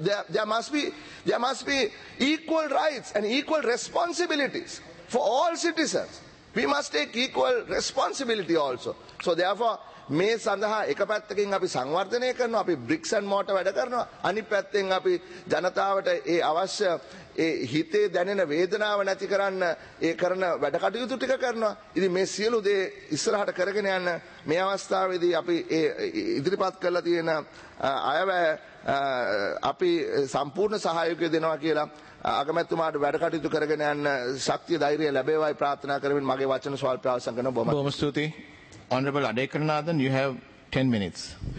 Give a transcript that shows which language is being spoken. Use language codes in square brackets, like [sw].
[en] There must be equal rights and equal responsibilities for all citizens. We must take equal responsibility also. So therefore, [si] මේ සඳහා එක පැත්තකින් අපි සංවර්ධනය කරනවා, අපි [en] bricks and mortar [si] වැඩ කරනවා. අනිත් පැත්තෙන් අපි ජනතාවට ඒ අවශ්‍ය ඒ හිතේ දැනෙන වේදනාව නැති කරන්න ඒ කරන වැඩ කටයුතු ටික කරනවා. ඉතින් මේ සියලු දේ ඉස්සරහට කරගෙන යන මේ අවස්ථාවේදී අපි ඒ ඉදිරිපත් කරලා තියෙන අයවැය අපි සම්පූර්ණ සහයෝගය දෙනවා කියලා අගමැතිතුමාට වැඩ කටයුතු කරගෙන යන ශක්තිය ධෛර්යය ලැබේවායි ප්‍රාර්ථනා කරමින් මගේ වචන ස්වල්ප අවසන් කරන බොහොම ස්තුතියි. [en] Honorable Adekarnathan, you have 10 minutes.